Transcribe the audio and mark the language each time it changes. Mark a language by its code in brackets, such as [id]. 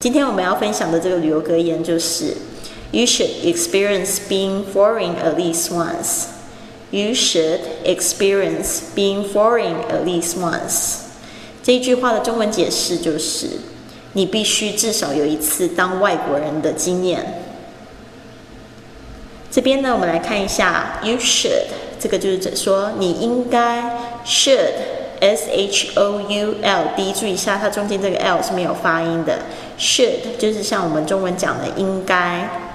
[zh] 今天我们要分享的这个旅游格言就是 [en] You should experience being foreign at least once. You should experience being foreign at least once. [zh] 这句话的中文解释就是你必须至少有一次当外国人的经验。这边呢，我们来看一下 You should， 这个就是说你应该 should S-H-O-U-L， 注意一下它中间这个 L 是没有发音的， should 就是像我们中文讲的应该。